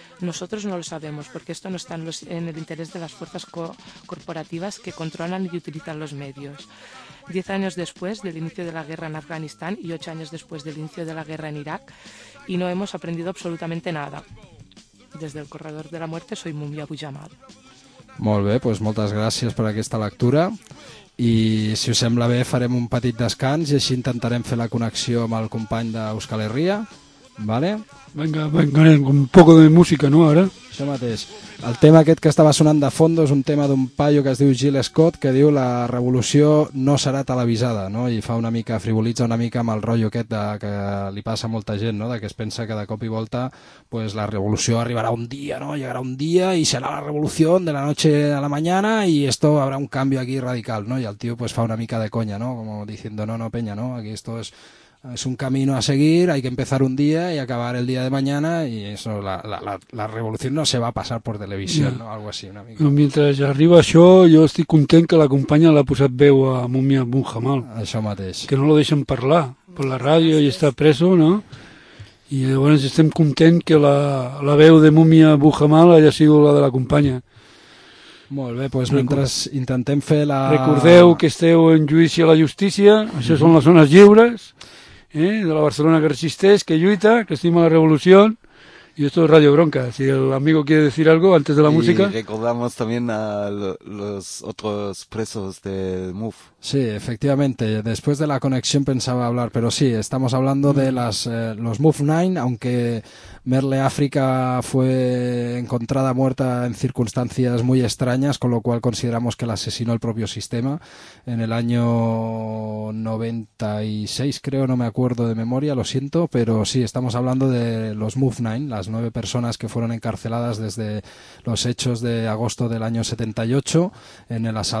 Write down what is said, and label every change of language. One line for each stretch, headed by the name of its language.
Spanish: Nosotros no lo sabemos, porque esto no está en el interés de las fuerzas corporativas que controlan y utilizan los medios. 10 años después del inicio de la guerra en Afganistán y 8 años después del inicio de la guerra en Irak, y no hemos aprendido absolutamente nada. Desde el corredor de la muerte, soy Mumia Bujamal.
Catalan: Molt bé, pues moltes gràcies per aquesta lectura. I si us sembla bé, farem un petit descans i així intentarem fer la connexió amb el company d'Euskal Herria, ¿vale?
Spanish: Venga, un poco de música, ¿no?, ara.
Catalan: Això mateix. El tema aquest que estava sonant de fondo és un tema d'un paio que es diu Gil Scott, que diu la revolució no serà televisada, no? I fa una mica, frivolitza una mica amb el rotllo aquest que li passa a molta gent, no? De que es pensa que de cop i volta pues, la revolució arribarà un dia, no? Llegarà un dia i serà la revolució
Spanish: de la noche a la mañana
Catalan: i
Spanish: esto habrá
Catalan: un canvi aquí radical, no? I el tio pues, fa una mica de conya, no?
Spanish: Como diciendo, no, peña, no? Aquí esto es... Es un camino a seguir, hay que empezar un día y acabar el día de mañana, y eso, la revolución no se va a pasar por televisión, ¿no? Algo así,
Catalan: una mica.
Spanish: No, mientras
Catalan: arriba això, jo estic content que la companya l'ha posat veu a Mumia Bujamal. Això mateix. Que no lo deixen parlar per la ràdio i està preso, no? I llavors estem content que la veu de Mumia Bujamal
Spanish: haya sigut
Catalan: la de la companya. Molt bé, doncs mentre intentem fer la... Recordeu que esteu en judici a la justícia, això són les zones lliures, de la Barcelona que resisteix, que lluita, que estima la revolució, i
Spanish: esto es Radio Bronca. Si el amigo quiere decir algo antes de la música... Y recordamos también a los otros presos del MUF. Sí, efectivamente, después de la conexión pensaba hablar, pero sí, estamos hablando de los MUF 9, aunque Merle África fue encontrada muerta en circunstancias muy extrañas, con lo cual consideramos que la asesinó el propio sistema en el año 96, creo, no me acuerdo de memoria, lo siento, pero sí, estamos hablando de los MUF 9, las 9 personas que fueron encarceladas desde los hechos de agosto del año 78, en el